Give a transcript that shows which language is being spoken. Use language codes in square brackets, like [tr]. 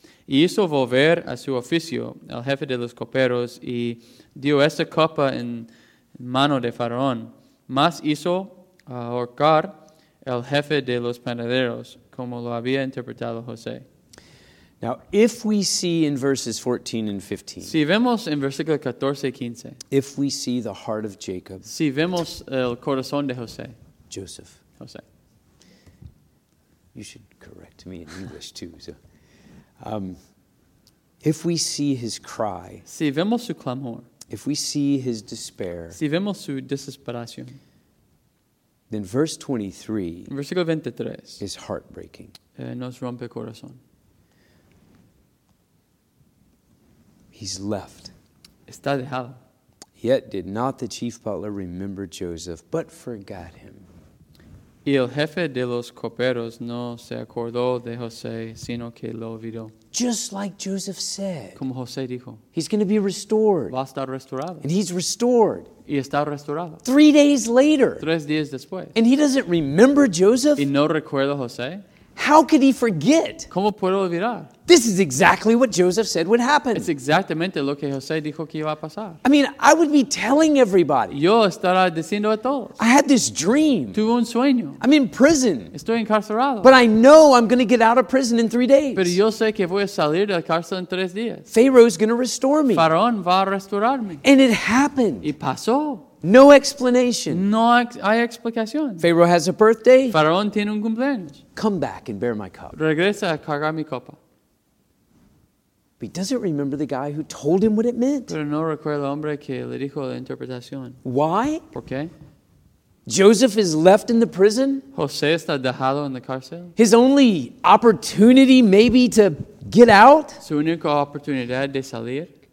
[es] Y hizo volver a su oficio al jefe de los coperos y dio esta copa en mano de Faraón. Mas hizo ahorcar el jefe de los panaderos, como lo había interpretado José. [en] Now, if we see in verses 14 and 15, [es] si vemos en versículo 14 y 15, [en] if we see the heart of Jacob, [es] si vemos el corazón de José, [en] Joseph, [es] José. [en] You should correct me in English too. So, if we see his cry, [es] si vemos su clamor, [en] if we see his despair, [es] si vemos su desesperación, [en] then verse 23 is heartbreaking. [es] Nos rompe el corazón. [en] He's left. [es] Está dejado. [en] Yet did not the chief butler remember Joseph, but forgot him. [es] Y el jefe de los coperos no se acordó de José, sino que lo olvidó. [en] Just like Joseph said. [es] Como José dijo. [en] He's going to be restored. [es] Va a estar restaurado. [en] And he's restored. [es] Y está restaurado. [en] 3 days later. [es] 3 días después. [en] And he doesn't remember Joseph. [es] Y no recuerda José. [en] How could he forget? [es] ¿Cómo puedo olvidar? [en] This is exactly what Joseph said would happen. [es] Es exactamente lo que José dijo que iba a pasar. [en] I mean, I would be telling everybody. [es] Yo estará diciendo a todos. [en] I had this dream. [es] Tuve un sueño. [en] I'm in prison. [es] Estoy encarcelado. [en] But I know I'm going to get out of prison in 3 days. [es] Pero yo sé que voy a salir de la cárcel en 3 días. [en] Pharaoh's going to restore me. [es] Faraón va a restaurarme. [en] And it happened. [es] Y pasó. [en] No explanation. [es] No hay explicación. [en] Pharaoh has a birthday. [es] Faraón tiene un cumpleaños. [en] Come back and bear my cup. [es] Regresa a cargar mi copa. [en] But he doesn't remember the guy who told him what it meant. [es] Pero no recuerda el hombre que le dijo la interpretación. [en] Why? [es] ¿Por qué? [en] Joseph is left in the prison. [es] José está dejado en la cárcel. [en] His only opportunity maybe to get out. [es] Su única oportunidad de salir.